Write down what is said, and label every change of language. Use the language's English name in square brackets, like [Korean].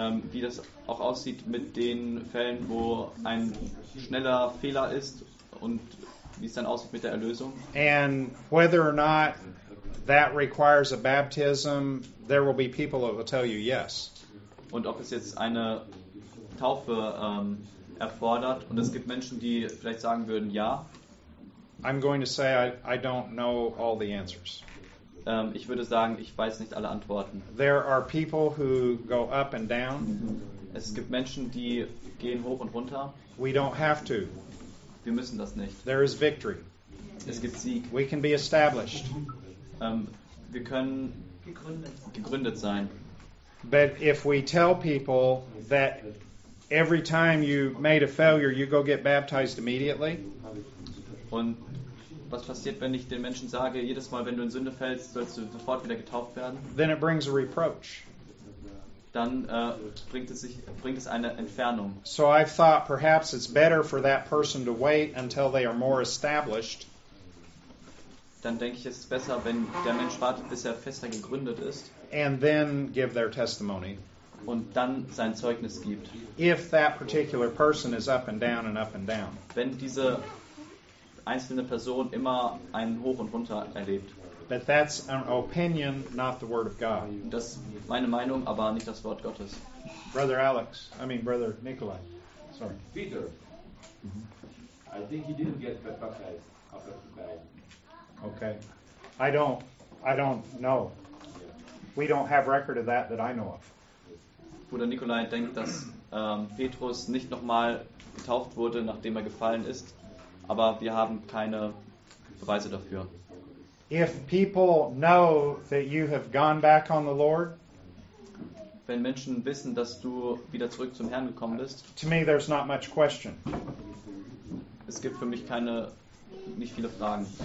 [German] Wie das auch aussieht mit den Fällen, wo ein schneller Fehler ist und wie es dann aussieht mit der Erlösung. [English] And whether or not that requires a baptism, there will be people that will tell you yes. [German] Und ob es jetzt eine Taufe erfordert und es gibt Menschen, die vielleicht sagen würden, ja. [English] I'm going to say I don't know all the answers. [German] Ich würde sagen, ich weiß nicht alle Antworten. [English] There are people who go up and down. [German] Es gibt Menschen, die gehen hoch und runter. [English] We don't have to. [German] Wir müssen das nicht. [English] There is victory. [German] Es gibt Sieg. [English] We can be established. [German] Wir können gegründet sein. [English] But if we tell people that every time you made a failure, you go get baptized immediately. [German] Und was passiert, wenn ich den Menschen sage, jedes Mal, wenn du in Sünde fällst, sollst du sofort wieder getauft werden? [English] Then it brings a reproach. [German] Dann bringt es eine Entfernung. [English] So I thought perhaps it's better for that person to wait until they are more established. [German] Dann denke ich, es ist besser, wenn der Mensch wartet, bis er fester gegründet ist. [English] And then give their testimony. [German] Und dann sein Zeugnis gibt. [English] If that particular person is up and down and up and down. [German] Wenn diese einzelne Person immer einen Hoch und Runter erlebt. [English] But that's an opinion, not the word of God. [German] Das ist meine Meinung, aber nicht das Wort Gottes. [English] Brother Nikolai. Sorry. Peter. Mm-hmm. I think he didn't get baptized after the bad. Okay. I don't know. We don't have record of that I know of. [German] Bruder Nikolai denkt, dass Petrus nicht nochmal getauft wurde, nachdem er gefallen ist. Aber wir haben keine Beweise dafür. [English] If people know that you have gone back on the Lord, [German] wenn Menschen wissen, dass du wieder zurück zum Herrn gekommen bist, [English] to me there's not much question. [German] Es gibt für mich keine, nicht viele Fragen.